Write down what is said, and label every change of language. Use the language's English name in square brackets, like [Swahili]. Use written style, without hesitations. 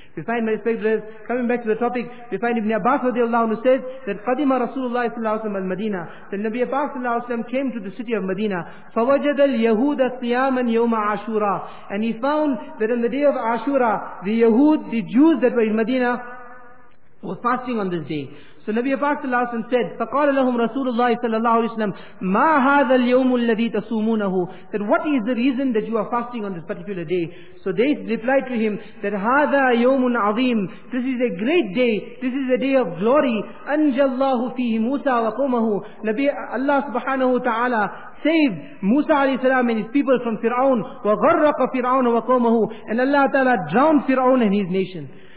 [English] We find, my respected brothers, coming back to the topic, we find Ibn Abbas radiallahu anhu says that [Arabic] Qadima Rasulullah Sallallahu Alaihi Wasallam al-Madinah, [English] that Nabi Sallallahu Alaihi Wasallam came to the city of Medina. [Arabic] فَوَجَدَ الْيَهُودَ صِيَامًا يَوْمَ عَشُورًا. [English] And he found that on the day of Ashura, the Yahud, the Jews that were in Medina, were fasting on this day. So Nabi Sallallahu Alaihi Wasallam said, [Arabic] فَقَالَ لَهُمْ رَسُولُ اللَّهِ صَلَّى اللَّهُ عَلَيْهِ وَسَلَّمَ مَا هَذَا الْيَوْمُ الَّذِي تَصُومُونَهُ. [English] That what is the reason that you are fasting on this particular day? So they replied to him that [Arabic] هَذَا يَوْمٌ عَظِيمٌ. [English] This is a great day. This is a day of glory. [Arabic] أَنْجَى اللَّهُ فِيهِ مُوسَى وَقَوْمَهُ. [English] Nabi Allah Subhanahu Wa Ta'ala saved Musa alayhi salam and his people from Fir'aun. [Arabic] وَغَرَّقَ فِرْعَوْنَ وَقَوْمَهُ. [English] And Allah Ta'ala drowned Fir'aun and his nation.